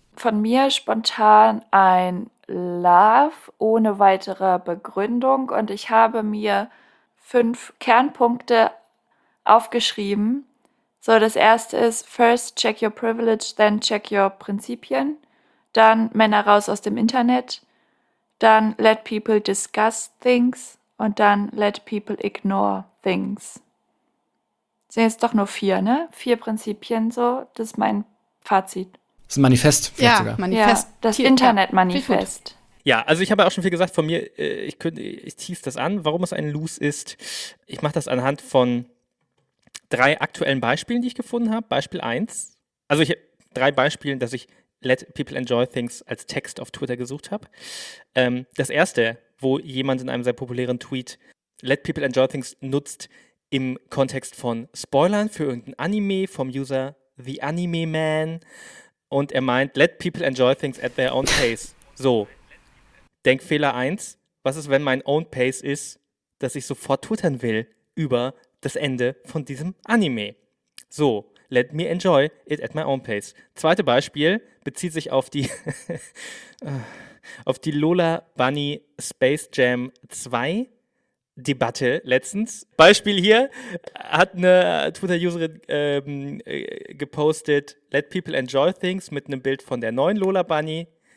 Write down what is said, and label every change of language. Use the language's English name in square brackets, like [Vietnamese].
[German] Von mir spontan ein Love ohne weitere Begründung. Und ich habe mir 5 Kernpunkte aufgeschrieben. So, das erste ist, [English] first check your privilege, then check your Prinzipien. [German] Dann Männer raus aus dem Internet. Dann [English] let people discuss things. [German] Und dann [English] let people ignore things. [German] Sind jetzt doch nur 4, ne? 4 Prinzipien, so. Das ist mein Fazit. Das ist ein Manifest vielleicht ja, sogar. Manifest. Ja, das Internet-Manifest. Ja, also ich habe auch schon viel gesagt von mir, ich tease das an, warum es ein Loose ist. Ich mache das anhand von 3 aktuellen Beispielen, die ich gefunden habe. Beispiel 1, also ich habe 3 Beispiele, dass ich Let People Enjoy Things als Text auf Twitter gesucht habe. Das erste, wo jemand in einem sehr populären Tweet Let People Enjoy Things nutzt im Kontext von Spoilern für irgendein Anime vom User The Anime Man. Und er meint, [English] let people enjoy things at their own pace. [German] So, Denkfehler 1, was ist, wenn mein own pace ist, dass ich sofort twittern will über das Ende von diesem Anime? [English] So, let me enjoy it at my own pace. [German] Zweite Beispiel bezieht sich auf die auf die Lola Bunny Space Jam 2 Debatte letztens. Beispiel hier, hat eine Twitter-Userin gepostet, [English] let people enjoy things [German] mit einem Bild von der neuen Lola Bunny.